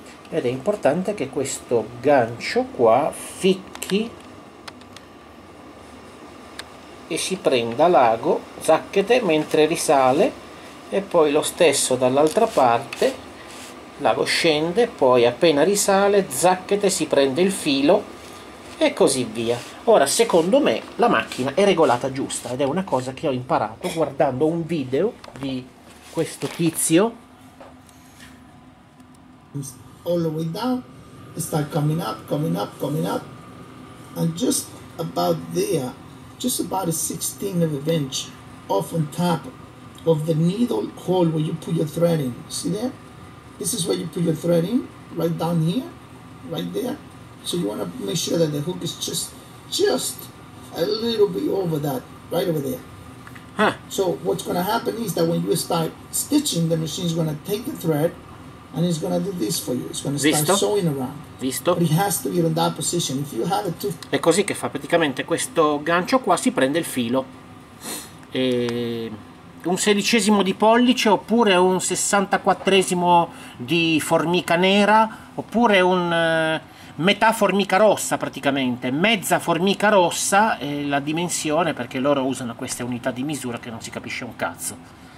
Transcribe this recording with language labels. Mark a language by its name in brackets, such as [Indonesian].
[Italian] Ed è importante che questo gancio qua ficchi e si prenda l'ago Zacchete mentre risale, e poi lo stesso dall'altra parte, l'ago scende, poi appena risale Zacchete si prende il filo e così via. Ora, secondo me la macchina è regolata giusta ed è una cosa che ho imparato guardando un video di questo tizio. [English] All the way down, it's like coming up, and just about there, just about a 16th of an inch off on top of the needle hole where you put your thread in. See there? This is where you put your thread in, right down here, right there. So you want to make sure that the hook is just a little bit over that, right over there. So what's going to happen is that when you start stitching, the machine's going to take the thread. And it's gonna do this for you. It's gonna start [Italian] Visto? [English] sewing around. But it [Italian] Visto? [English] has to be in that position. If you have a tooth. [Italian] È così che fa praticamente questo gancio qua, si prende il filo. E un sedicesimo di pollice oppure un 64esimo di formica nera oppure un metà formica rossa praticamente, mezza formica rossa è la dimensione perché loro usano queste unità di misura che non si capisce un cazzo.